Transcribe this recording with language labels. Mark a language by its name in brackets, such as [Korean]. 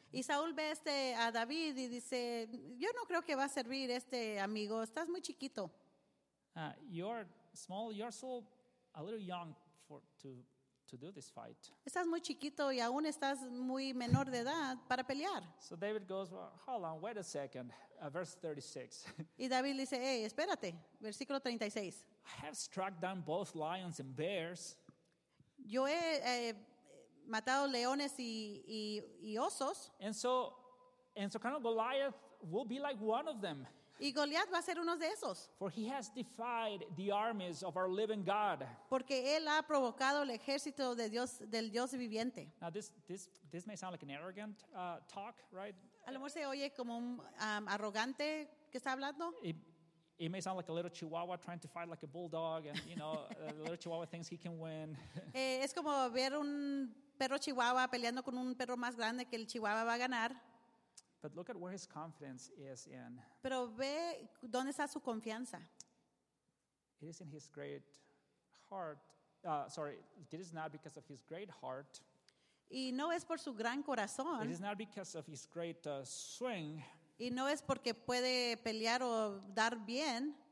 [Spanish] Y Saúl ve a David y dice, yo no creo que va a servir este amigo, estás muy chiquito. [English] You're still a little young to do this fight. [Spanish] Estás muy chiquito y aún estás muy menor de edad para pelear. [English] So David goes, "Well, hold on, wait a second." Verse 36. [Spanish] Y David dice, "Hey, espérate." Versículo 36. [English] "I have struck down both lions and bears." [Spanish] Yo he matado leones y osos. [English] And so kind of Goliath will be like one of them. [Spanish] Y Goliat va a ser uno de esos. [English] For he has defied the armies of our living God. [Spanish] Porque él ha provocado el ejército de Dios, del Dios viviente. [English] Now this may sound like an arrogant talk, right? [Spanish] A lo mejor se oye como un arrogante que está hablando. [English] It may sound like a little chihuahua trying to fight like a bulldog, and you know, a little chihuahua thinks he can win. [Spanish] Es como ver un perro chihuahua peleando con un perro más grande que el chihuahua va a ganar. [English] But look at where his confidence is in. [Spanish] Pero ve dónde está su confianza. [English] It is in his great heart. It is not because of his great heart. [Spanish] Y no es por su gran corazón. [English] It is not because of his great swing. [Spanish] Y no es porque puede pelear o dar bien.